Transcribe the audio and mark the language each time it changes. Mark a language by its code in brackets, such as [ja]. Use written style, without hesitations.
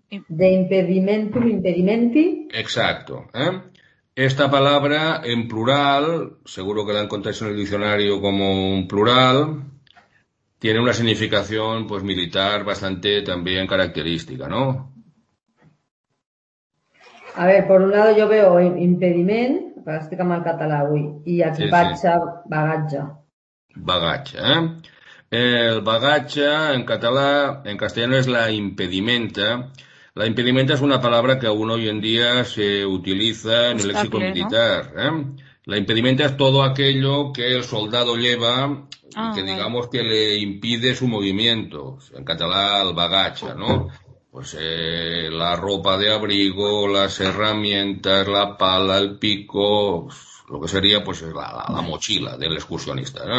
[la] De impedimentum impedimenti. [es] Exacto. Esta palabra en plural, seguro que la encontráis en el diccionario como un plural, tiene una significación pues militar bastante también característica, ¿no? A ver, por un lado yo veo [ca] impediment, però estic amb el català avui, i equipatge, sí, sí. Bagatge. Bagatge, eh? El bagatge en català, [es] en castellano, [ca] és la impedimenta. La impedimenta és una paraula que [es] aún hoy en día se utiliza en el léxico militar, ¿no? La impedimenta es todo aquello que el soldado lleva y que, digamos, que le impide su movimiento. [ca] En català, el bagatge, [es] ¿no? Pues la ropa de abrigo, las herramientas, la pala, el pico, lo que sería pues la mochila del excursionista, ¿no?